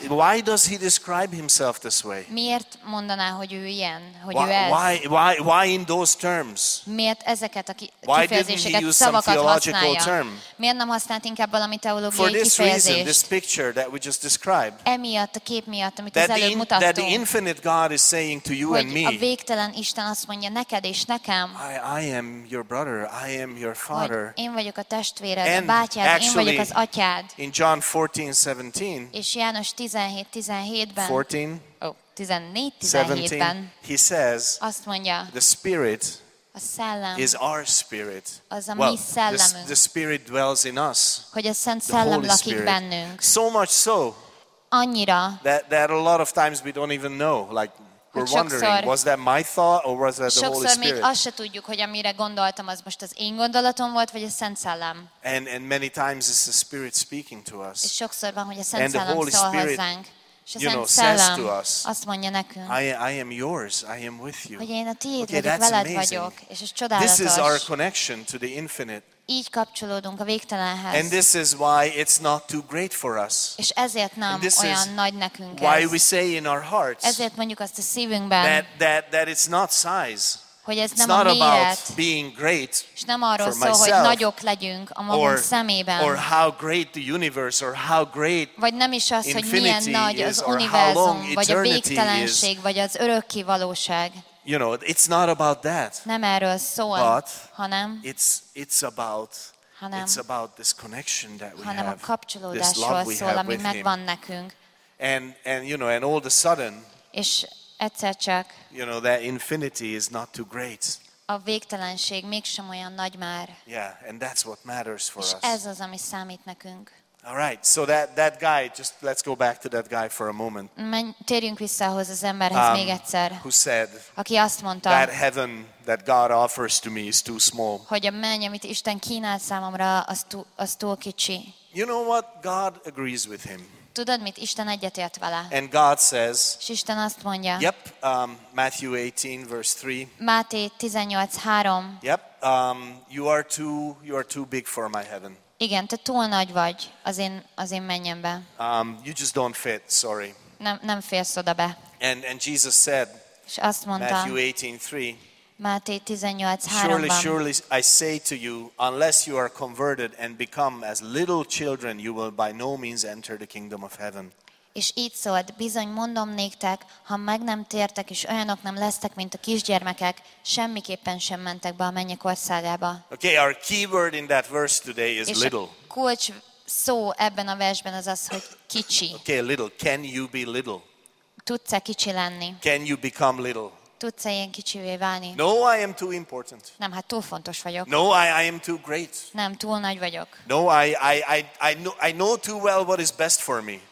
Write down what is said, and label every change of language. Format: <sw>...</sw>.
<en>How, why does he describe himself this way?</en> <hu>Miért mondaná, hogy ő ilyen, hogy</hu> <en>why,</en> <hu>ő ez?</hu> <en>Why in those terms?</en> <hu>Miért ezeket a kifejezéseket, szavakat használja? Term? Miért nem használt inkább valami teológiai</hu> <en>For this</en> <hu>kifejezést?</hu> <en>Reason, this picture that we just described.</en> <hu>Emiatt a kép miatt, amit az előbb mutattunk.</hu> <en>That the infinite God is saying to you and me.</en> <hu>A végtelen Isten azt mondja neked és nekem.</hu> <en>I am your brother, I am your father.</en> <hu>Én vagyok a testvéred, a bátyád, én vagyok az atyád.</hu> <en>In John 14:17.</en> <hu>És János 17:17-ben.</hu> <en>14.</en> <hu>Oh, 14:17-ben.</hu> <en>He says.</en> <hu>Azt mondja.</hu> <en>The Spirit.</en> <hu>A szellem.</hu> <en>Is our spirit.</en> <hu>Az a mi szellemünk.</hu> <en>The Spirit dwells in us.</en> <hu>Hogy a Szent Szellem lakik bennünk.</hu> <en>So much so.</en> <hu>Annyira.</hu> <en>That a lot of times we don't even know, like. We're wondering, was that my thought or was that the Holy Spirit?</en> <hu>Sokszor még azt se tudjuk, hogy amire gondoltam, az most az én gondolatom volt, vagy a Szent Szellem.</hu> <en>And many times it's the Spirit speaking to us.</en> <hu>És sokszor van, hogy a Szent Szellem szól hozzánk. És a Szent Szellem azt mondja nekünk.</hu> <en>I am yours, I am with you.</en> <hu>Hogy én a tiéd vagyok, veled vagyok. És ez csodálatos.</hu> <en>This is our connection to the infinite.</en> <hu>Így kapcsolódunk a végtelenhez.</hu> <en>And this is why it's not too great for us.</en> <hu>És ezért nem olyan nagy nekünk ez.</hu> <en>Why we say in our hearts.</en> <hu>Ezért mondjuk azt a szívünkben.</hu> <en>That it's not size.</en> <hu>Hogy ez</hu> <en>it's</en> <hu>nem</hu> <en>not</en> <hu>a méret,</hu> <en>about being great.</en> <hu>És nem arról szól, hogy nagyok legyünk a magunk szemében.</hu> <en>Or how great the universe or how great.</en> <hu>Vagy nem is az, hogy milyen nagy az univerzum, vagy a végtelenség, vagy az örökké valóság.</hu> <en>You know, it's not about that.</en> <hu>Nem erről szól,</hu> <en>but</en> <hu>hanem</hu> <en>it's about this connection that we</en> <hu>hanem</hu> <en>have.</en> <hu>Hanem a kapcsolódásról szól, ami megvan nekünk.</hu> <en>And you know, and all of a sudden,</en> <hu>és egyszer csak,</hu> <en>you know, that infinity is not too great.</en> <hu>A végtelenség mégsem olyan nagy már.</hu> <en>Yeah, and that's what matters for</en> <hu>és</hu> <en>us.</en> <hu>És ez az, ami számít nekünk.</hu> <en>All right, so that guy, just let's go back to that guy for a moment.</en> <hu>Térjünk vissza ahhoz az emberhez még egyszer.</hu> <en>Who said,</en> <hu>aki azt mondta,</hu> <en>that heaven that God offers to me is too small.</en> <hu>Hogy a menny, amit Isten kínál számomra, az túl kicsi.</hu> <en>You know what? God agrees with him.</en> <hu>Tudod mit? Isten egyetért vele.</hu> <en>And God says,</en> <hu>és Isten azt mondja,</hu> <en>yep, Matthew 18, verse 3.</en> <hu>Máté 18:3.</hu> <en>Yep, you are too big for my heaven.</en> <hu>Igen, te túl nagy vagy az én mennyembe.</hu> <en>You just don't fit, sorry.</en> <hu>Nem férsz oda be.</hu> <en>And Jesus said,</en> <hu>és azt mondta,</hu> <en>Matthew 18:3.</en> <hu>Máté 18:3-ban.</hu> <en>Surely I say to you, unless you are converted and become as little children, you will by no means enter the kingdom of heaven.</en> <hu>És így szólt, bizony mondom néktek, ha meg nem tértek és olyanok nem lesztek, mint a kisgyermekek, semmiképpen sem mentek be a mennyek országába.</hu> <en>Okay, our key word in that verse today is little.</en> <hu>És a kulcs szó ebben a versben az, hogy kicsi.</hu> <en>Okay, little. Can you be little?</en> <hu>Tudsz-e kicsi lenni?</hu> <en>Can you become little?</en> <hu>Tudsz-e ilyen kicsivé válni?</hu> <en>No, I am too important.</en> <hu>Nem, hát túl fontos vagyok.</hu> <en>No, I am too great.</en> <hu>Nem, túl nagy vagyok.</hu> <en>No, I know too well what is best for me.</en>